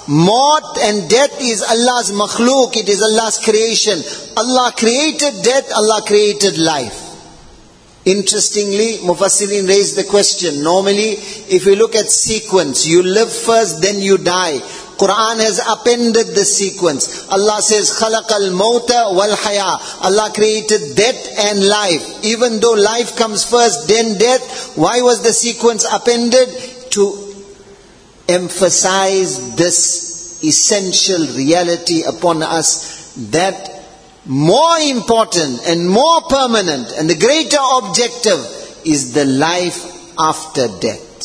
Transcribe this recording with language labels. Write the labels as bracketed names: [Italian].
[English] Mort and death is Allah's makhluk. It is Allah's creation. Allah created death. Allah created life. Interestingly, Mufassirin raised the question. Normally, if you look at sequence, you live first, then you die. Quran has upended the sequence. Allah says, [Arabic] خَلَقَ الْمَوْتَ وَالْحَيَا. [English] Allah created death and life. Even though life comes first, then death, why was the sequence upended? To emphasize this essential reality upon us that more important and more permanent and the greater objective is the life after death.